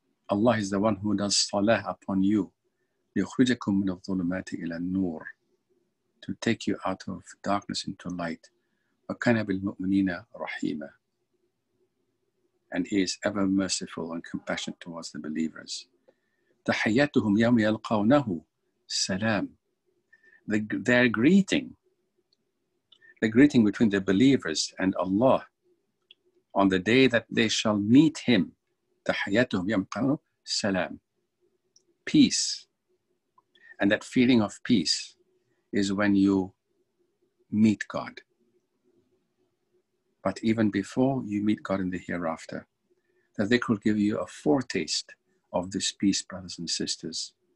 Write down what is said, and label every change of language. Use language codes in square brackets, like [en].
[en] Allah is the one who does salah upon you. [ar] لِيُخْرِجَكُمْ مِنَ الظُّلُمَاتِ إِلَى النُّورِ. [en] To take you out of darkness into light. [ar] وَكَانَ بِالْمُؤْمِنِينَ رَحِيمًا. [en] And he is ever merciful and compassionate towards the believers. [ar] تحياتهم يوم يلقونه سلام. [en] Their greeting, the greeting between the believers and Allah on the day that they shall meet him. [ar] تحياتهم يوم يلقونه سلام. [en] Peace. And that feeling of peace is when you meet God. But even before you meet God in the hereafter, the dhikr will give you a foretaste of this peace, brothers and sisters.